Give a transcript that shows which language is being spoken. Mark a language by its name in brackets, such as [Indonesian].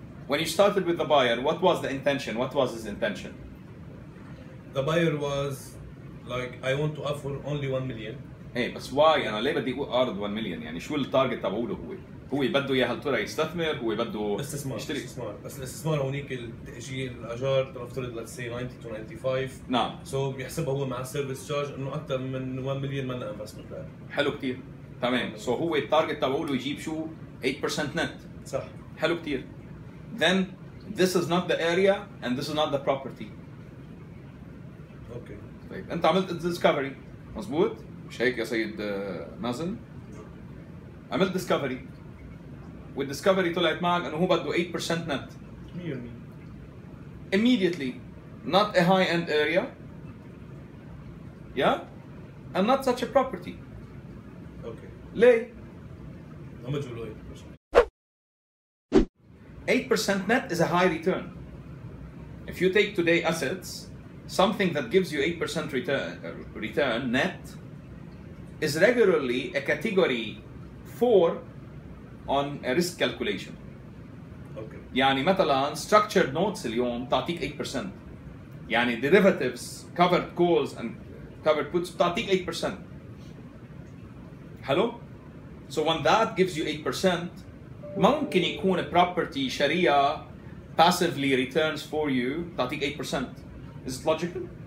[English] When you started with the buyer, what was the intention? What was his intention? The buyer was like, I want to offer only 1 million. Hey, [Arabic] بس [English] why? [Arabic] أنا ليه بدي أعرض 1 million؟ يعني شو التارجت تبعوله هو؟ هو بده إياه هالطريقة يستثمر؟ هو بده استثمار يشتري. استثمار بس الاستثمار هونيك التأجير الأجار لنفترض [English] let's say 90 to 95 [Arabic] نعم سو so, بيحسبها هو مع السيرفيس تشارج إنه أكثر من 1 مليون مانا انفستمنت حلو كثير تمام سو so, هو التارجت تبعوله يجيب شو 8% نت صح حلو كثير [English] then this is not the area and this is not the property okay [Arabic] طيب أنت عملت ديسكفري مزبوط مش هيك يا سيد مازن عملت ديسكفري والديسكفري طلعت معك انه هو بده 8% نت 100% [English] immediately not a high end area yeah and not such a property okay [Arabic] ليه؟ ما مجهول [English] 8% net is a high return if you take today assets something that gives you 8% return net is regularly a category 4 on a risk calculation. Okay. [Arabic] يعني مثلا structured notes اليوم تعطيك 8%. يعني [English] derivatives, covered calls and covered puts [Arabic] تعطيك 8%. [English] Hello? So when that gives you 8%, [Arabic] ممكن يكون [English] a property sharia passively returns for you [Arabic] تعطيك 8%. [English] Is it logical?